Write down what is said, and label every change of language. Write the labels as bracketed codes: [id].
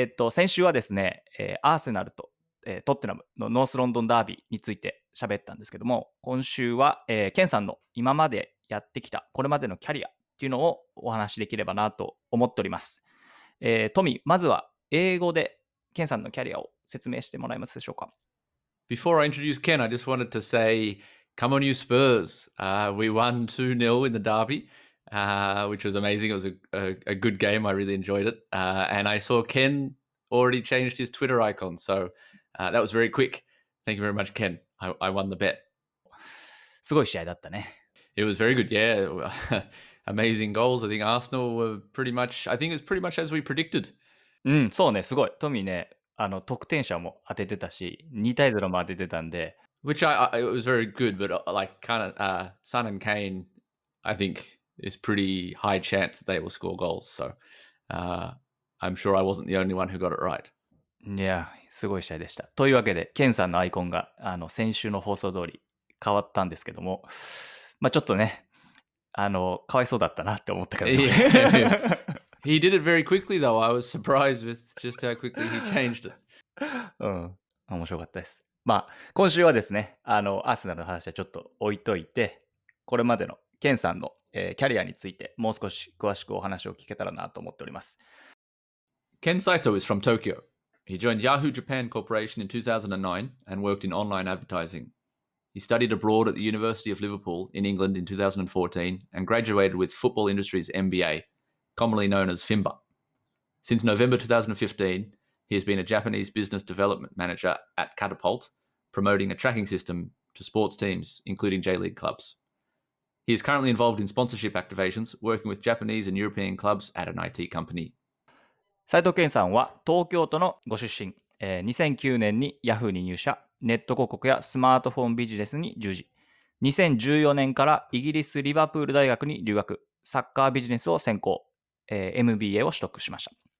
[ja] 先週はですね、アーセナルと、トッテナムのノースロンドンダービーについて喋ったんですけども、今週は、兼さんの今までやってきたこれまでのキャリアっていうのをお話しできればなと思っております。トミー、まずは英語でケンさんのキャリアを説明してもらえますでしょうか。 [en] Before I introduce Ken, I just wanted to say come on you Spurs. We won 2-0 in the derby, which was amazing. It was a good game. I really enjoyed it. And I saw Ken already changed his Twitter icon. So that was very quick. Thank you very much, Ken. I won the bet. [ja] すごい試合だったね。 [en] It was very good, yeah. Amazing goals. I think Arsenal were pretty much, I think it's pretty much as we predicted. [ja] うん、そうね、すごい。トミーね、得点者も当ててたし、2対0も当ててたんで。 [en] Which I it was very good, but like kind of, Son and Kane, I think is pretty high chance that they will score goals. So, I'm sure I wasn't the only one who got it right. [ja] いや、すごい試合でした。というわけで、ケンさんのアイコンが先週の放送通り変わったんですけども、まあちょっとね、かわいそうだったなって思ったけど。 [en] Yeah, yeah, yeah. He did it very quickly though. I was surprised with just how quickly he changed it. [ja] うん、面白かったです。まあ、今週はですね、アーセナルの話はちょっと置いといて、これまでのケンさんの、キャリアについて、もう少し詳しくお話を聞けたらなと思っております。 [en] Ken Saito is from Tokyo. He joined Yahoo Japan Corporation in 2009 and worked in online advertising. He studied abroad at the University of Liverpool in England in 2014 and graduated with Football Industries MBA, commonly known as FIMBA. Since November 2015, he has been a Japanese business development manager at Catapult, promoting a tracking system to sports teams, including J-League clubs. He is currently involved in sponsorship activations, working with Japanese and European clubs at an IT company. [ja] 斉藤健さんは東京都のご出身。 2009年に Yahoo に入社。ネット広告やスマートフォンビジネスに従事。2014年からイギリスリヴァプール大学に留学、サッカービジネスを専攻、MBA を取得しました。